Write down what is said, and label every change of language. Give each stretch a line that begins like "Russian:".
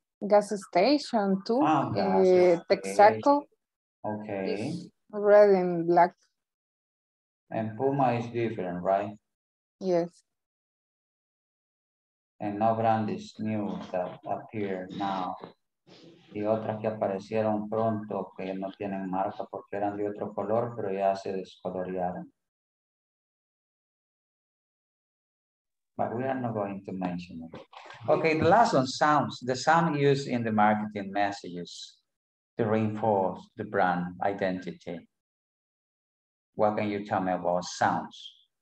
English: Gas station too. Texaco. Okay. Red and black. And Puma is different, right? Yes. And no brand is new that appear now.
Spanish: Y otras que aparecieron pronto que no tienen marca porque eran de otro color, pero ya se descolorearon.
English: But we are not going to mention it. Okay, the last one, sounds. The sound used in the marketing messages to reinforce the brand identity. What can you tell me about sounds?